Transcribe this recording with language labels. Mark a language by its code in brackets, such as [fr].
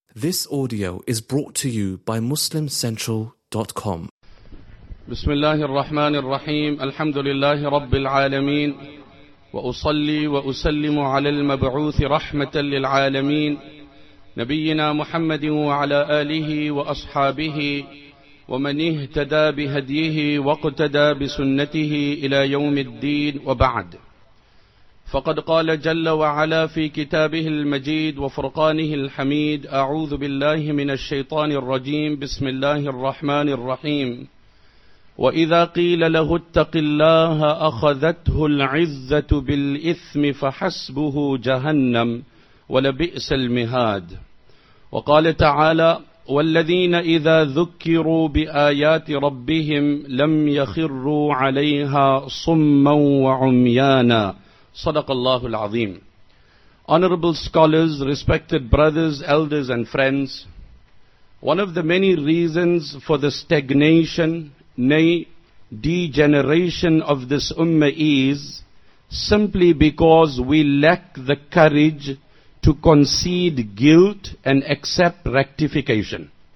[en] This audio is brought to you by MuslimCentral.com. [ar] بسم الله الرحمن الرحيم الحمد لله رب العالمين وأصلي وأسلم على المبعوث رحمة للعالمين نبينا محمد وعلى آله وأصحابه ومن اهتدى بهديه واقتدى بسنته إلى يوم الدين وبعد. فقد قال جل وعلا في كتابه المجيد وفرقانه الحميد: أعوذ بالله من الشيطان الرجيم، بسم الله الرحمن الرحيم. وإذا قيل له اتق الله أخذته العزة بالإثم فحسبه جهنم ولبئس المهاد. وقال تعالى: والذين إذا ذكروا بآيات ربهم لم يخروا عليها صما وعميانا. صدق الله العظيم. [en] Honorable scholars, respected brothers, elders and friends, one of the many reasons for the stagnation, nay, degeneration of this ummah is simply because we lack the courage to concede guilt and accept rectification.